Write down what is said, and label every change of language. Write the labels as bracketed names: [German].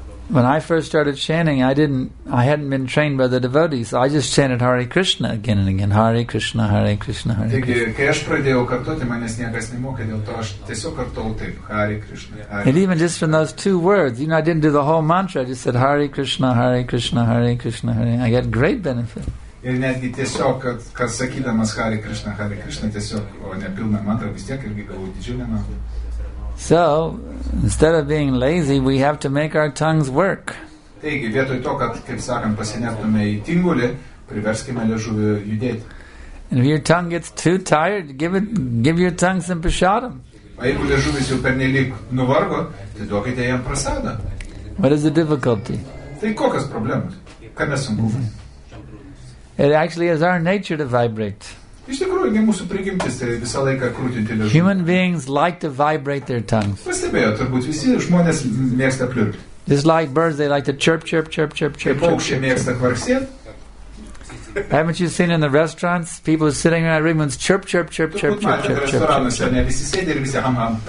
[English] When I first started chanting, I hadn't been trained by the devotees. I just chanted Hare Krishna again and again. Hare Krishna, Hare Krishna, Hare Krishna. And even just from those two words, you know, I didn't do the whole mantra. I just said Hare Krishna, Hare Krishna, Hare Krishna, Hare Krishna. I got great benefit. [Lithuanian] Ir netgi tiesiog, kad sakydamas Hare Krishna, tiesiog, o ne pilną mantrą, vis tiek irgi gavau didžiulę naudą. [English] So, instead of being lazy, we have to make our tongues work. [Lithuanian] Taigi, vietoj to, kad, kaip sakant, pasinertume į tingulį, priverskime liežuvį judėti. [English] And if your tongue gets too tired, give your tongue some prasadam. [Lithuanian] O jeigu liežuvis jau pernelyg nuvargo, tai duokite jam prasadą. [English] What is the difficulty? [Lithuanian] Tai kokios problemos? Ką mes sunku? [English] It actually is our nature to vibrate. [Lithuanian] Iš tikrųjų, mūsų prigimtis tai visą laiką krūtinti liežuvį. [English] Human beings like to vibrate their tongues. [Lithuanian] Pastebėjo, turbūt visi žmonės mėgsta pliurpti. [English] Just like birds, they like to chirp, chirp, chirp, chirp, chirp. [Lithuanian] Kaip paukščiai mėgsta kvarksėti. [English] Haven't you seen in the restaurants people sitting around everyone's chirp, chirp, chirp, chirp, chirp, chirp, chirp, chirp,